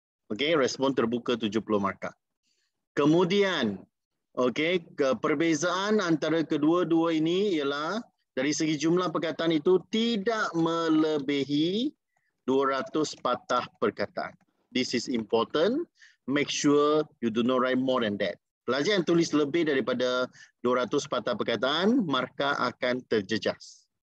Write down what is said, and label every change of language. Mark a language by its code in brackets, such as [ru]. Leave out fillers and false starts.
[ms] Okey, respons terbuka 70 markah. Kemudian, okey, perbezaan antara kedua-dua ini ialah dari segi jumlah perkataan itu tidak melebihi 200 patah perkataan. [en] This is important. Make sure you do not write more than that. [ms] Pelajar yang tulis lebih daripada 200 patah perkataan, markah akan terjejas.